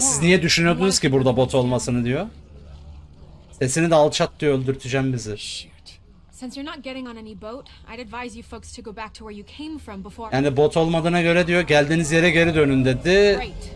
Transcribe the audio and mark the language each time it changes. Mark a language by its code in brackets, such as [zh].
[tr] Siz niye düşünüyordunuz ki burada bot olmasını diyor? Sesini de alçat diyor, öldürteceğim bizi. [en] Since you're not getting on any boat, I'd advise you folks to go back to where you came from before. [tr] Yani bot olmadığına göre diyor, geldiğiniz yere geri dönün dedi.